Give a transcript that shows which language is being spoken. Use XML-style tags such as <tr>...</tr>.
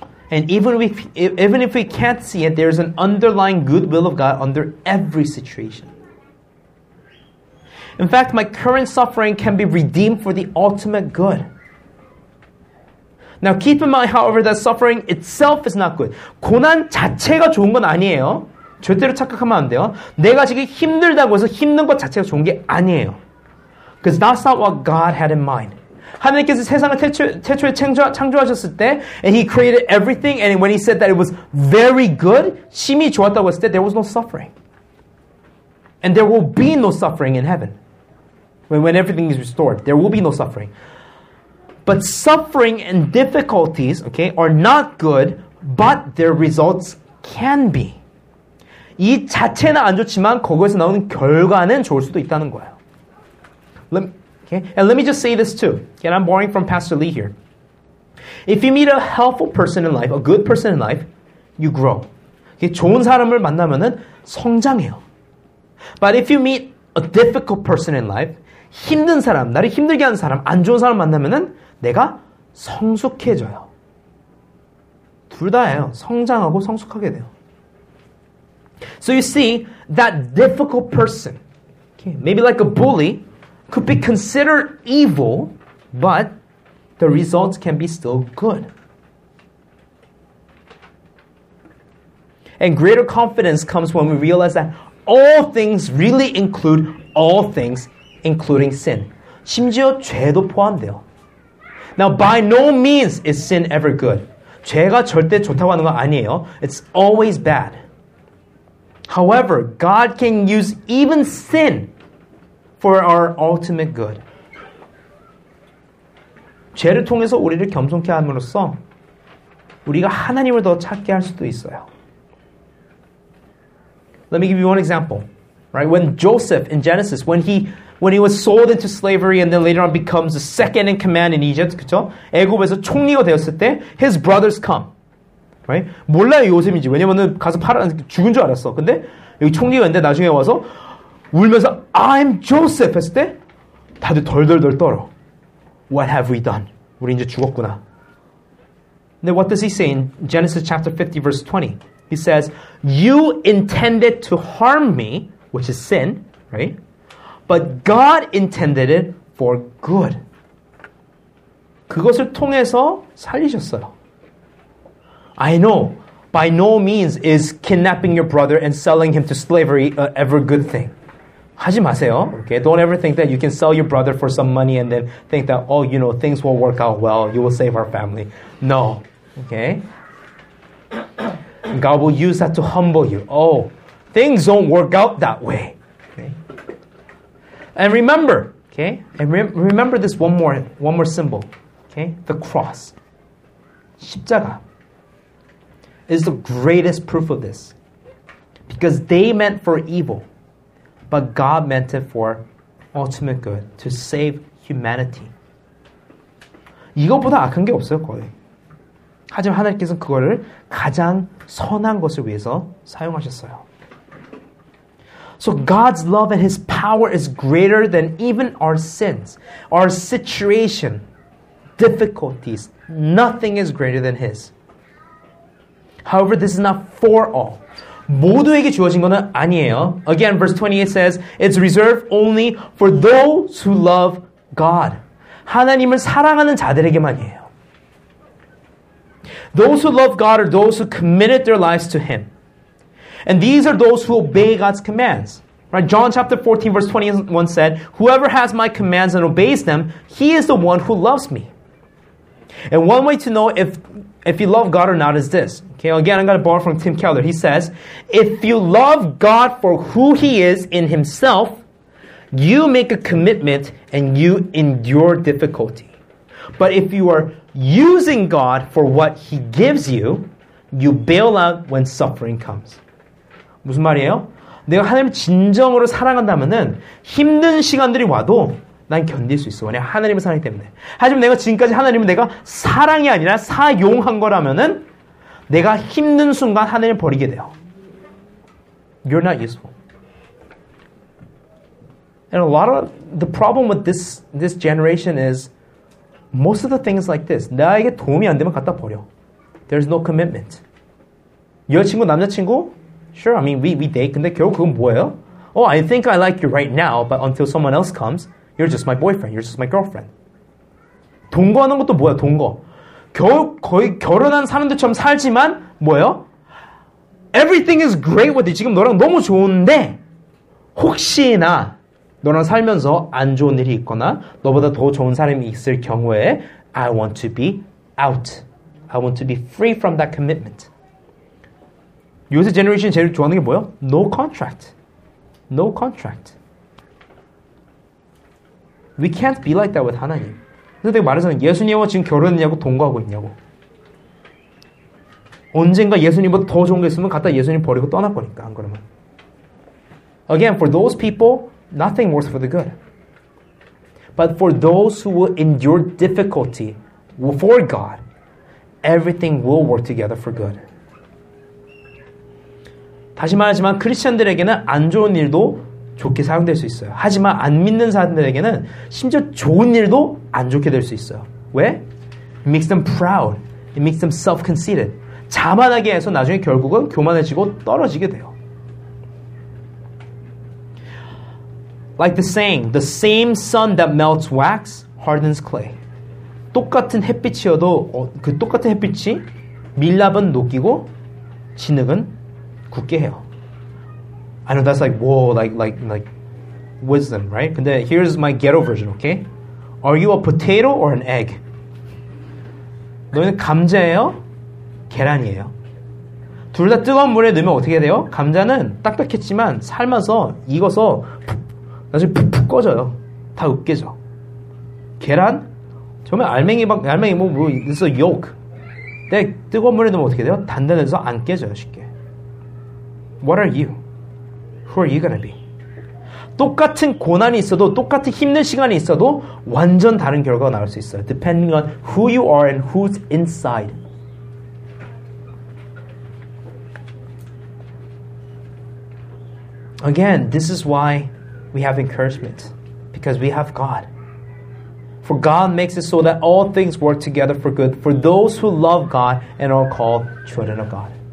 <en>And even if we can't see it, there's an underlying goodwill of God under every situation. In fact, my current suffering can be redeemed for the ultimate good. Now, keep in mind, however, that suffering itself is not good.</en> <ko>고난 자체가 좋은 건 아니에요. 절대로 착각하면 안 돼요. 내가 지금 힘들다고 해서 힘든 것 자체가 좋은 게 아니에요.</ko> <en>Because that's not what God had in mind.</en> <ko>하나님께서 세상을 태초에 창조하셨을 때</ko> <en>and he created everything and when he said that it was very good,</en> <ko>심히 좋았다고 했을 때</ko> <en>there was no suffering. And there will be no suffering in heaven. When everything is restored, there will be no suffering. But suffering and difficulties, okay, are not good, but their results can be.</en> <ko>이 자체는 안 좋지만 거기에서 나오는 결과는 좋을 수도 있다는 거예요.</ko> <en>Okay? And let me just say this too. Okay, I'm borrowing from Pastor Lee here. If you meet a helpful person in life, a good person in life, you grow.</en> <ko>Okay, 좋은 사람을 만나면은 성장해요.</ko> <en>But if you meet a difficult person in life,</en> <ko>힘든 사람, 나를 힘들게 하는 사람, 안 좋은 사람 만나면은 내가 성숙해져요. 둘 다예요. 성장하고 성숙하게 돼요.</ko> <en>So you see, that difficult person, okay, maybe like a bully, could be considered evil, but the results can be still good. And greater confidence comes when we realize that all things really include all things, including sin.</en> <ko>심지어 죄도 포함돼요.</ko> <en>Now, by no means is sin ever good.</en> <ko>죄가 절대 좋다고 하는 거 아니에요.</ko> <en>It's always bad. However, God can use even sin for our ultimate good.</en> <ko>죄를 통해서 우리를 겸손케 함으로써 우리가 하나님을 더 찾게 할 수도 있어요.</ko> <en>Let me give you one example. Right? When Joseph in Genesis, when he was sold into slavery and then later on becomes the second in command in Egypt,</en> <ko>그렇죠? 애굽에서 총리가 되었을 때</ko> <en>his brothers come. Right?</en> <ko>몰라요, 요셉인지. 왜냐면은 가서 팔아 죽은 줄 알았어. 근데 여기 총리가 있는데 나중에 와서 울면서</ko> <en>I'm Joseph</en> <ko>했을 때 다들 덜덜덜 떨어.</ko> <en>What have we done?</en> <ko>우리 이제 죽었구나.</ko> <en>Now what does he say in Genesis chapter 50 verse 20? He says, "You intended to harm me, which is sin, right? But God intended it for good."</en> <ko>그것을 통해서 살리셨어요.</ko> <en>I know, by no means is kidnapping your brother and selling him to slavery a ever good thing.</en> <ko>하지 마세요. Okay?</ko> <en>Don't ever think that you can sell your brother for some money and then think that, oh, you know, things will work out well. You will save our family. No. Okay? God will use that to humble you. Oh, things don't work out that way. Okay? And remember, okay? And remember this one more symbol. Okay? The cross.</en> <ko>십자가.</ko> <en>Is the greatest proof of this. Because they meant for evil. But God meant it for ultimate good, to save humanity.</en> <ko>이것보다 악한 게 없어요, 거의. 하지만 하나님께서는 그거를 가장 선한 것을 위해서 사용하셨어요.</ko> <en>So God's love and His power is greater than even our sins, our situation, difficulties. Nothing is greater than His. However, this is not for all. 모두에게 주어진 거는 아니에요. Again, verse 28 says, it's reserved only for those who love God. 하나님을 사랑하는 자들에게만이에요. Those who love God are those who committed their lives to Him. And these are those who obey God's commands. Right? John chapter 14, verse 21 said, whoever has my commands and obeys them, he is the one who loves me. And one way to know if you love God or not is this. Okay, again, I'm going to borrow from Tim Keller. He says, if you love God for who He is in Himself, you make a commitment and you endure difficulty. But if you are using God for what He gives you, you bail out when suffering comes.</en> <ko>무슨 말이에요? 내가 하나님 진정으로 사랑한다면은 힘든 시간들이 와도 난 견딜 수 있어. 왜냐? 하나님을 사랑하기 때문에. 하지만 내가 지금까지 하나님을 내가 사랑이 아니라 사용한 거라면은 내가 힘든 순간 하나님을 버리게 돼요.</ko> <en>You're not useful. And a lot of the problem with this generation is most of the things like this.</en> <ko>나에게 도움이 안 되면 갖다 버려.</ko> <en>There's no commitment.</en> <ko>여자친구, 남자친구?</ko> <en>Sure, I mean, we date.</en> <ko>근데 결국 그건 뭐예요?</ko> <en>Oh, I think I like you right now, but until someone else comes, you're just my boyfriend, you're just my girlfriend.</en> <ko>동거하는 것도 뭐야, 동거. 거의 결혼한 사람들처럼 살지만 뭐예요?</ko> <en>Everything is great with you.</en> <ko>지금 너랑 너무 좋은데 혹시나 너랑 살면서 안 좋은 일이 있거나 너보다 더 좋은 사람이 있을 경우에</ko> <en>I want to be out. I want to be free from that commitment.</en> <ko>요새 generation 제일 좋아하는 게 뭐예요?</ko> <en>No contract. No contract. We can't be like that with 하나님.</en> <ko>근데 내가 말하자면 예수님과 지금 결혼했냐고 동거하고 있냐고. 언젠가 예수님보다 더 좋은 게 있으면 갖다 예수님 버리고 떠날 거니까 안 그러면.</ko> <en>Again, for those people, nothing works for the good. But for those who will endure difficulty for God, everything will work together for good.</en> <ko>다시 말하지만 크리스천들에게는 안 좋은 일도 좋게 사용될 수 있어요. 하지만 안 믿는 사람들에게는 심지어 좋은 일도 안 좋게 될 수 있어요. 왜?</ko> <en>It makes them proud. It makes them self-conceited.</en> <ko>자만하게 해서 나중에 결국은 교만해지고 떨어지게 돼요.</ko> <en>Like the saying, the same sun that melts wax hardens clay.</en> <ko>똑같은 햇빛이어도 그 똑같은 햇빛이 밀랍은 녹이고 진흙은 굳게 해요.</ko> <en>I know that's like, whoa, like wisdom, right? 근데 here's my ghetto version, okay? Are you a potato or an egg?</en> <ko>너희는 감자예요? 계란이에요? 둘 다 뜨거운 물에 넣으면 어떻게 돼요? 감자는 딱딱했지만 삶아서 익어서 나중에 푹푹 꺼져요. 다 으깨져. 계란? 정말 알맹이 막 알맹이 뭐 있어 yolk. 근데 뜨거운 물에 넣으면 어떻게 돼요? 단단해서 안 깨져요 쉽게.</ko> <en>What are you? Who are you gonna be?</en> <ko>똑같은 고난이 있어도 똑같은 힘든 시간이 있어도 완전 다른 결과가 나올 수 있어요.</ko> <en>Depending on who you are and who's inside. Again, this is why we have encouragement. Because we have God. For God makes it so that all things work together for good for those who love God and are called children of God.</en>